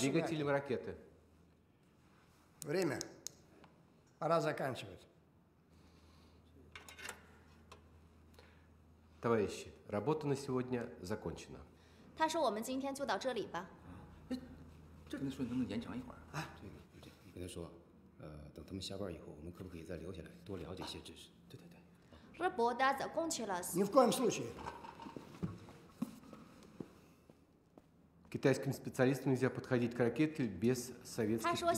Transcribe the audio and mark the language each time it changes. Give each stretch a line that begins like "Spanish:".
Russian: двигателем ракеты. Время. Пора заканчивать. Товарищи, работа на сегодня закончена. Он сказал, что мы сегодня только здесь. Это не нужно подождать.
Chinese: 等他们下班以后，我们可不可以再留下来多了解一些知识？对对对。
Russian: Ни в коем случае. Китайским специалистам нельзя подходить к ракете без советских.